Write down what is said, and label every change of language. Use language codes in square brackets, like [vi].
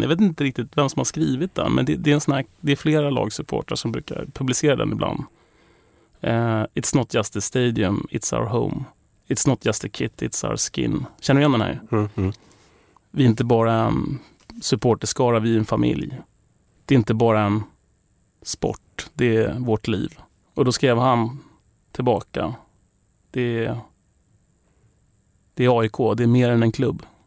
[sv] Jag vet inte riktigt vem som har skrivit den, men det är flera lagsupportrar som brukar publicera den ibland. [en] It's not just a stadium, it's our home. It's not just a kit, it's our skin. [sv] Känner du igen den här? Mm-hmm. Vi är inte bara en supporterskara, vi är en familj. Det är inte bara en sport, det är vårt liv. Och då skrev han tillbaka, det är AIK, det är mer än en klubb.